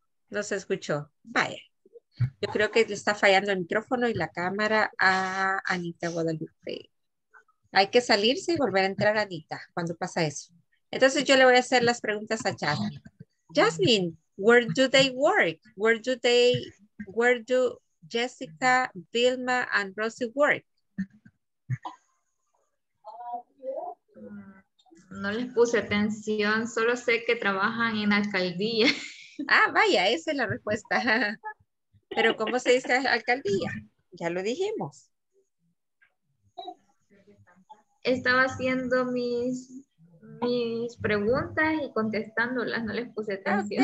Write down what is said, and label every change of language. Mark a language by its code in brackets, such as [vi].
[es] No se escuchó. Vaya. Yo creo que le está fallando el micrófono y la cámara a Anita Guadalupe. Hay que salirse y volver a entrar a Anita cuando pasa eso. Entonces yo le voy a hacer las preguntas a Jasmine. [en] Jasmine, where do they work? Where do they, where do Jessica, Vilma, and Rosie work? [es] No les puse atención, solo sé que trabajan en alcaldía. Ah, vaya, esa es la respuesta. Pero ¿cómo se dice alcaldía? Ya lo dijimos. Estaba haciendo mis preguntas y contestándolas, no les puse atención.